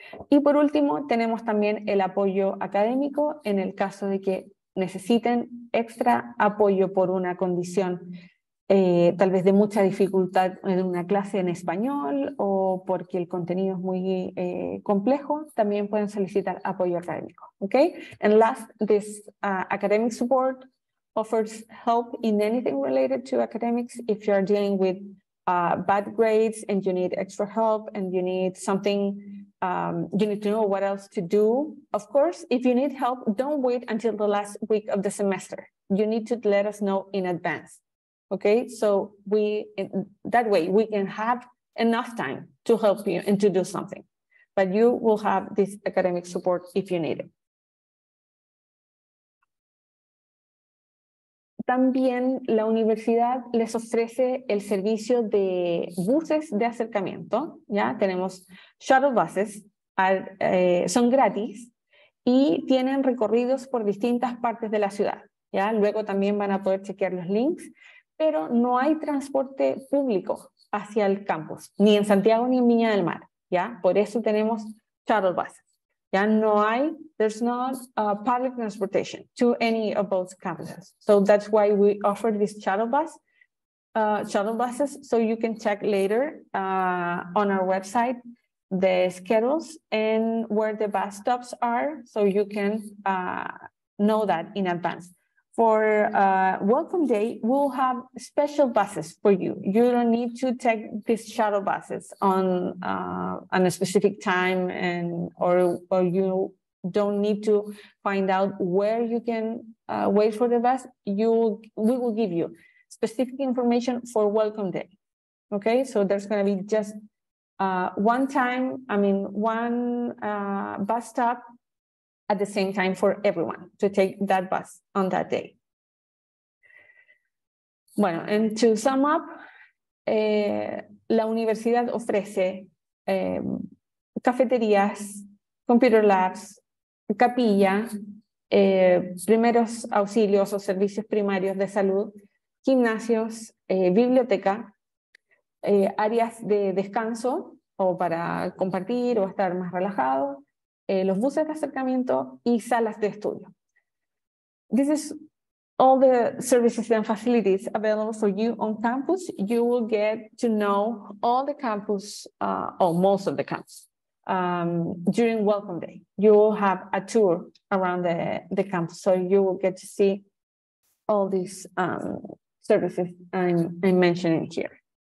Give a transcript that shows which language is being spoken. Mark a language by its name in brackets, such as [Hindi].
[Spanish] Y por último, tenemos también el apoyo académico en el caso de que necesiten extra apoyo por una condición tal vez de mucha dificultad en una clase en español o porque el contenido es muy complejo, también pueden solicitar apoyo académico. [English] Okay? And last, this academic support offers help in anything related to academics. If you're dealing with bad grades and you need extra help and you need something, you need to know what else to do. Of course, if you need help, don't wait until the last week of the semester. You need to let us know in advance. Okay, so that way we can have enough time to help you and to do something, but you will have this academic support if you need it. [Spanish] También la universidad les ofrece el servicio de buses de acercamiento. Ya tenemos shuttle buses, son gratis y tienen recorridos por distintas partes de la ciudad. Ya luego también van a poder chequear los links. Pero no hay transporte público hacia el campus, ni en Santiago ni en Viña del Mar, ¿ya? Por eso tenemos shuttle buses. Ya no hay, [English] there's not public transportation to any of those campuses. So that's why we offer these shuttle buses, so you can check later on our website the schedules and where the bus stops are, so you can know that in advance. For welcome day, we'll have special buses for you. You don't need to take these shuttle buses on a specific time or you don't need to find out where you can wait for the bus. We will give you specific information for welcome day. Okay, so there's gonna be just one bus stop at the same time for everyone to take that bus on that day. [Spanish] Bueno, [English] and to sum up, [Spanish] la universidad ofrece cafeterías, computer labs, capilla, primeros auxilios o servicios primarios de salud, gimnasios, biblioteca, áreas de descanso o para compartir o estar más relajado, los buses de acercamiento y salas de estudio. [English] This is all the services and facilities available for you on campus. You will get to know all the campus, or most of the campus, during Welcome Day. You will have a tour around the campus, so you will get to see all these services I'm mentioning here.